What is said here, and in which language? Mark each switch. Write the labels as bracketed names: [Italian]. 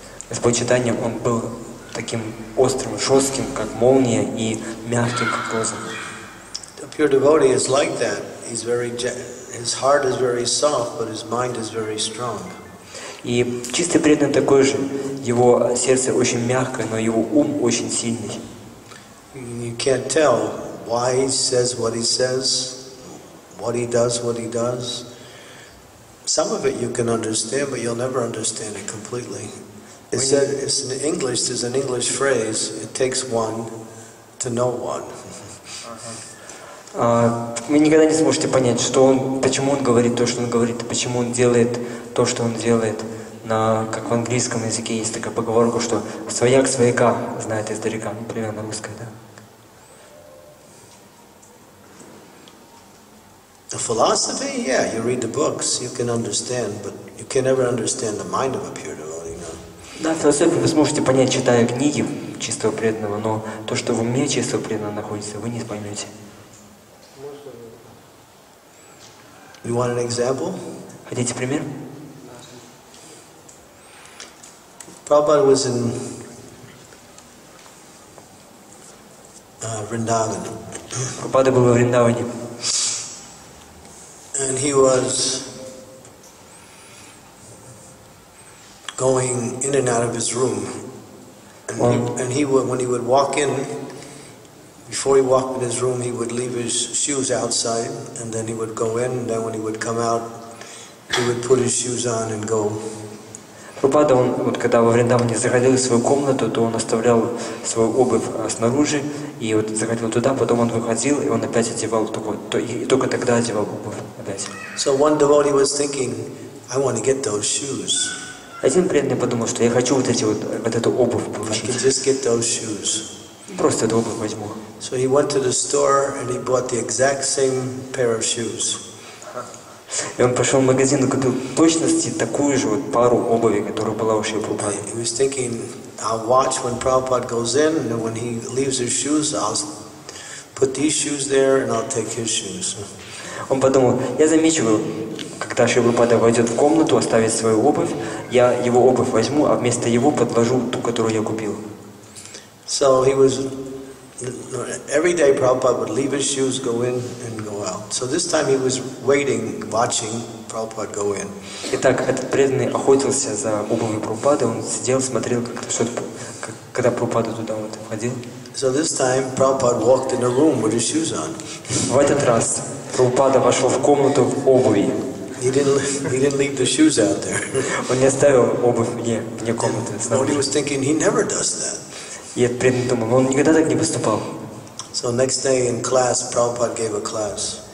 [Russian] Господь Чайтанья, он был таким острым, жестким, как молния, и мягким, как роза. [English] Pure devotee is like that. He's very his heart is very soft, but his mind is very strong. [Russian] И чистый преданный такой же. Его сердце очень мягкое, но его ум очень сильный. [English] You can't tell why he says what he says, what he does, what he does. Some of it you can understand, but you'll never understand it completely. It's in English. There's an English phrase. It takes one to know one. [Russian] Вы никогда не сможете понять, что он, почему он говорит то, что он говорит, почему он делает то, что он делает. Как в английском языке есть такая поговорка, что «свояк свояка знает издалека», ну, примерно русская, да? [English] The philosophy, yeah, you read the books, you can understand, but you can never understand the mind of a pure devotee, no? [Russian] Да, философию вы сможете понять, читая книги чистого преданного, но то, что в уме чистого преданного находится, вы не поймете. [English] You want an example? [Russian] Хотите пример? [English] Prabhupada was in Vrindavan. [Russian] Prabhupada был во Вриндаване. [English] And he was going in and out of his room. And when he would walk in, before he walked in his room, he would leave his shoes outside, and then he would go in, and then when he would come out, he would put his shoes on and go. [Russian] Прабхупада, он вот когда во Вриндаване заходил в свою комнату, то он оставлял свою обувь снаружи и вот заходил туда, потом он выходил и он опять одевал только тогда одевал обувь опять. [English] So one devotee was thinking, I want to get those shoes. [Russian] Один преданный подумал, что я хочу вот эти вот, вот эту обувь получить. [English] I can just get those shoes. [Russian] Просто эту обувь возьму. [English] So he went to the store and he bought the exact same pair of shoes. [Russian] И он пошел в магазин и купил точности такую же вот пару обуви, которая была у Шри Прабхупады. [English] He was thinking, I'll watch when Prabhupada goes in, and when he leaves his shoes, I'll put these shoes there and I'll take his shoes. [Russian] Он подумал, я замечу, когда Шри Прабхупада войдет в комнату, оставит свою обувь, я его обувь возьму, а вместо его подложу ту, которую я купил. [English] So he was every day Prabhupada would leave his shoes, go in and go out. So this time he was waiting, watching Prabhupada go in. [Russian] Итак, этот преданный охотился за обувью Прабхупады. Он сидел, смотрел, когда Прабхупада туда вот входил. [English] So this time Prabhupada walked in the room with his shoes on. [Russian] В этот раз Прабхупада вошел в комнату в обуви. [English] He didn't leave the shoes out there. [Russian] Он не оставил обувь вне комнаты. [English] Nobody was thinking he never does that. [Russian] Я преданно думал, он никогда так не поступал. [English] So next day in class, Prabhupada gave a class.